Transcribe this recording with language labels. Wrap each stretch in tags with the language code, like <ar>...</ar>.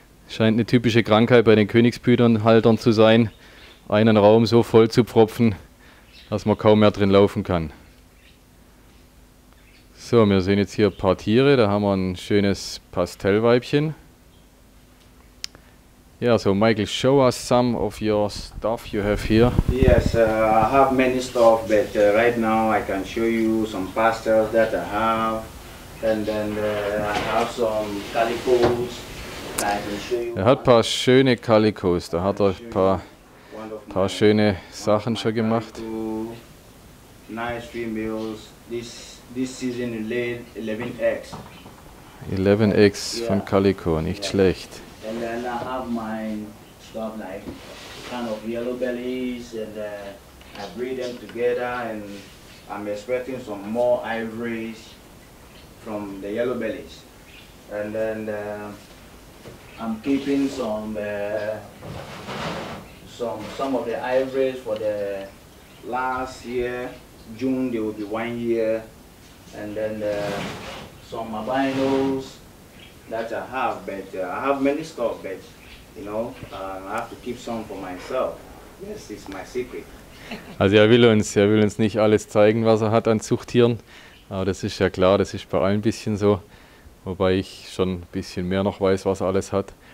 <de>Scheint eine typische Krankheit bei den Königspythonhaltern zu sein, einen Raum so voll zu pfropfen, dass man kaum mehr drin laufen kann. So, wir sehen jetzt hier ein paar Tiere, da haben wir ein schönes Pastellweibchen.</de> <en>Ja, so Michael, show us some of your stuff you have here. Yes, I have many stuff, but right now I can show you some pastels that I have. And then I have some calicos.</en> <de>Er hat ein paar schöne Calicos, da hat er ein paar schöne Sachen schon gemacht.</de> <en>Nice females. This season is late 11x.</en> <de>11x von Calico, nicht schlecht.</de> <en>And then I have my stuff like kind of yellow bellies and I breed them together and I'm expecting some more ivories from the yellow bellies. And then I'm keeping some of the ivories for the last year. June they will be 1 year. And then some albinos that I have, but I have many stuff, but you know, I have to keep some for myself. This is my secret.</en> <de>Also er will uns nicht alles zeigen, was er hat an Zuchttieren. Aber das ist ja klar, das ist bei allen ein bisschen so. Wobei ich schon ein bisschen mehr noch weiß, was er alles hat.</de>